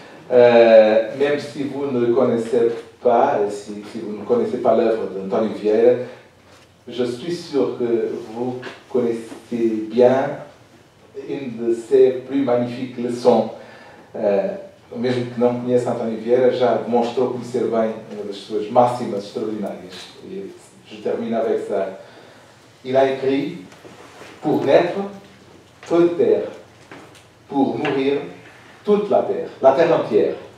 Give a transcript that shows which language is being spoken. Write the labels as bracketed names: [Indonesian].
[French] Même si vous ne connaissez pas, si vous ne connaissez pas l'œuvre d'António Vieira, je suis sûr que vous connaissez bien une de ses plus magnifiques leçons. [Portuguese] Mesmo que não conheça António Vieira, já demonstrou conhecer bem uma das suas máximas extraordinárias. [French] E je termine avec ça. Il a écrit pour naître toute terre, pour mourir toute la terre entière.